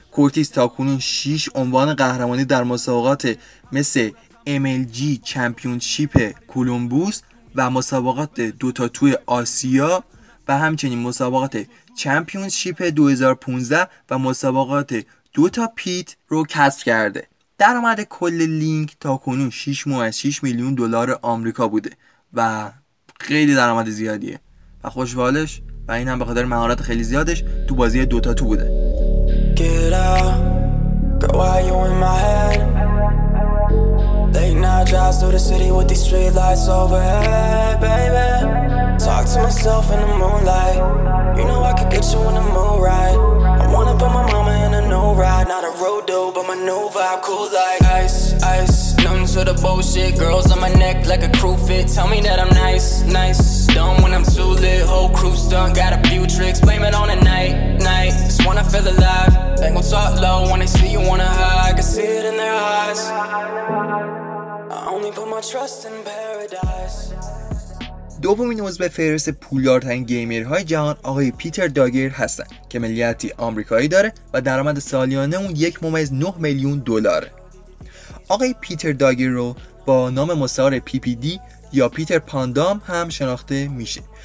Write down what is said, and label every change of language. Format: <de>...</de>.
<fa>کورتیس تاکنون 6 عنوان قهرمانی در مسابقات مثل MLG چمپیونشیپ کولومبوس و مسابقات دوتا توی آسیا و همچنین مسابقات چمپیونشیپ 2015 و مسابقات دوتا پیت رو کسب کرده. درآمد کل لینگ تاکنون 6.6 میلیون دلار آمریکا بوده و خیلی درآمد زیادیه و خوشحالش، و این هم به خاطر مهارت خیلی زیادش تو بازی دوتا تو بوده.</fa> <en>Get out, girl, why you in my head? Late night drives through the city with these street lights overhead, baby. Talk to myself in the moonlight. You know I could get you in the mood right. I wanna put my mama in a new ride, not a rodeo, but my new vibe cool like ice, ice. Numb to the bullshit, girls on my neck like a crew fit. Tell me that I'm nice, nice. Dumb when I'm too lit, whole crew stunt. Got a few tricks, blame it on the night, night. Just wanna feel alive. Ain't gon' talk low when they see you wanna hide. I can see it in their eyes. I only put my trust in paradise.</en> <fa>دومین عضو فهرست پولدارترین گیمرهای جهان آقای پیتر داگر هستن که ملیتی آمریکایی داره و درآمد سالیانه اون 1.9 میلیون دلاره. آقای پیتر داگر رو با نام مستعار PPD یا پیتر پاندام هم شناخته میشه.</fa>